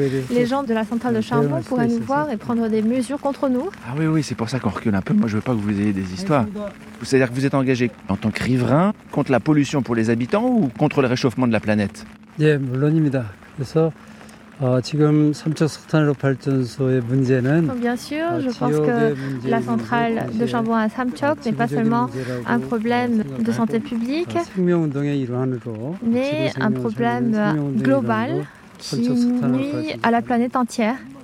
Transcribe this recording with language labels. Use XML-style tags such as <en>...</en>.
<fr>Les gens de la centrale de charbon pourraient nous voir et prendre des mesures contre nous. Ah oui, c'est pour ça qu'on recule un peu. Moi, je veux pas que vous ayez des histoires. C'est-à-dire que vous êtes engagé en tant que riverain contre la pollution pour les habitants ou contre le réchauffement de la planète ?</fr> <ko>Oui, 물론입니다. 그래서 지금 삼척 석탄화력발전소의 문제는</ko> <fr>bien sûr, je pense que la centrale de charbon à Samcheok n'est pas seulement un problème de santé publique, mais un problème global qui nuit à la planète entière.</fr>